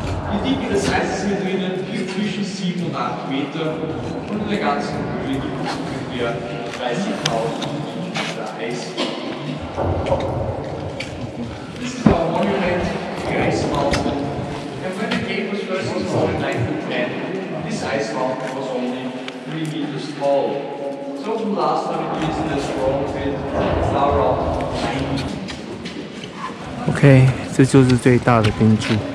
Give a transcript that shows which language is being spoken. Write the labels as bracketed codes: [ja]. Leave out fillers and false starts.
[de] Die Dicke des Eises ist hier drinnen zwischen 7 und 8 Meter. Und in der ganzen Höhle gibt es ungefähr 30.000 Meter Eis. Das ist [en] our Monument, the Ice Mountain. And when the game was first installed in 1910, this ice mountain was only 3 meters tall. So from last 100 years in the strong wind, it's now around 90. [zh] Okay, 这就是最大的冰柱。